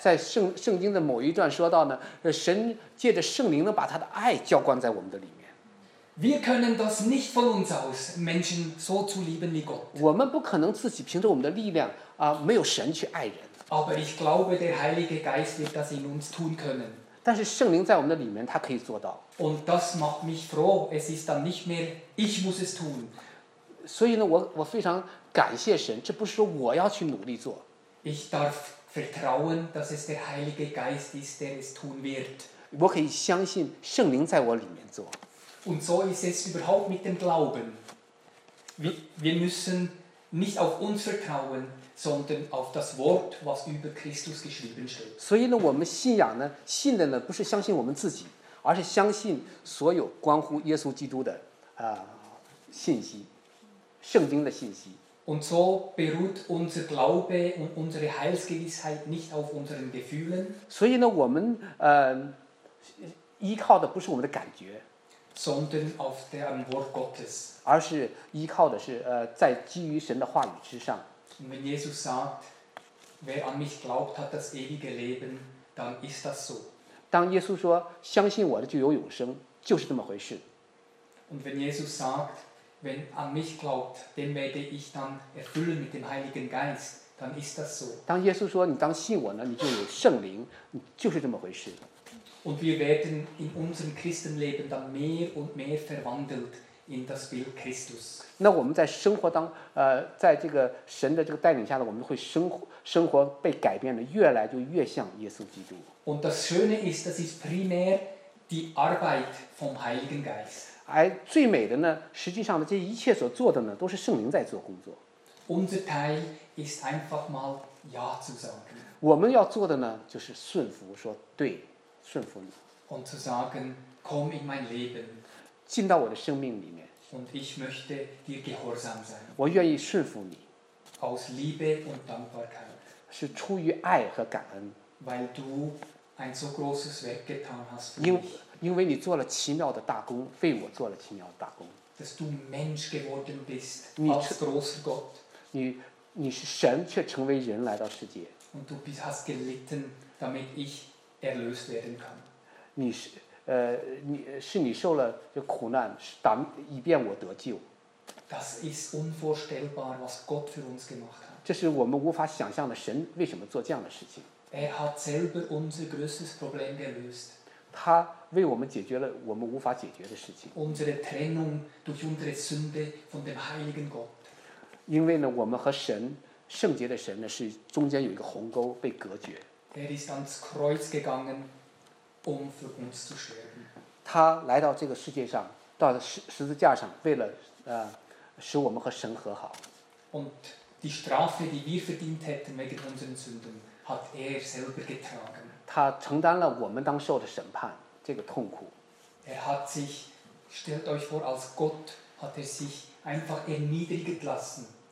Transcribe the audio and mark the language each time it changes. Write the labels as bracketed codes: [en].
[zh] 在圣经的某一段说到呢，神借着圣灵呢，把他的爱浇灌在我们的里面。 [de] Wir können das nicht von uns aus, Menschen so zu lieben wie Gott. [zh] 我们不可能自己凭着我们的力量啊，没有神去爱人。 [de] Aber ich glaube, der Heilige Geist wird das in uns tun können. [zh] 但是圣灵在我们的里面，他可以做到。 [de] Und das macht mich froh. Es ist dann nicht mehr ich muss es tun. [zh] 所以呢，我非常感谢神，这不是说我要去努力做。 [de] Ich darf vertrauen, dass es der Heilige Geist ist, der es tun wird. [zh] 我可以相信圣灵在我里面做。 [de] Und so ist es überhaupt mit dem Glauben. Wir müssen nicht auf uns vertrauen, sondern auf das Wort, was über Christus geschrieben steht. [zh] 所以呢，我们信仰呢，信的呢，不是相信我们自己，而是相信所有关乎耶稣基督的信息，圣经的信息。 [de] Und so beruht unser Glaube und unsere Heilsgewissheit nicht auf unseren Gefühlen. [zh] 所以呢，我们依靠的不是我们的感觉。 [de] sondern auf dem Wort Gottes. [zh] 而是依靠的是在基于神的话语之上。 [de] Wenn Jesus sagt, wer an mich glaubt, hat das ewige Leben, dann ist das so. [zh] 当耶稣说相信我的就有永生，就是这么回事。 [de] Und wenn Jesus sagt, wenn an mich glaubt, den werde ich dann erfüllen mit dem Heiligen Geist, dann ist das so. [zh] 当耶稣说你当信我呢，你就有圣灵，就是这么回事。 [de] Und wir werden in unserem Christenleben dann mehr und mehr verwandelt in das Bild Christus. [zh] 那我们在生活当在这个神的这个带领下呢，我们会生活被改变的，越来就越像耶稣基督。 [de] Und das Schöne ist, das ist primär die Arbeit vom Heiligen Geist. [zh] 而最美的呢，实际上呢，这一切所做的呢，都是圣灵在做工作。 [de] Unser Teil ist einfach mal ja zu sagen. [zh] 我们要做的呢，就是顺服，说对。顺服你 [de] und zu sagen, komm in mein Leben, [zh] 进到我的生命里面 [de] und ich möchte dir gehorsam sein, [zh] 我愿意顺服你 [de] aus Liebe und Dankbarkeit, [zh] 是出于爱和感恩 [de] weil du ein so großes Werk getan hast für [zh] 因为你做了奇妙的大功为我做了奇妙的大功 [de] dass du Mensch geworden bist als großer Gott [zh] 你是神却成为人来到世界 [de] und du hast gelitten, damit ich erlöst werden kann. [zh] 是你受了苦难，以便我得救。 [de] Das ist unvorstellbar, was Gott für uns gemacht hat. [zh] 这是我们无法想象的，神为什么做这样的事情。 [de] Er hat selber unser größtes Problem gelöst. [zh] 他为我们解决了我们无法解决的事情。 [de] Unsere Trennung durch unsere Sünde von dem Heiligen Gott. [zh] 因为呢，我们和神，圣洁的神呢，是中间有一个鸿沟被隔绝。 [de] Er ist ans Kreuz gegangen, um für uns zu sterben. [zh] 他来到这个世界上，到十字架上，为了使我们和神和好。 [de] Und die Strafe, die wir verdient hätten wegen unseren Sünden, hat er selber getragen. [zh] 他承担了我们当受的审判，这个痛苦。 [de] Er hat sich, stellt euch vor, als Gott hat er sich einfach erniedrigt lassen.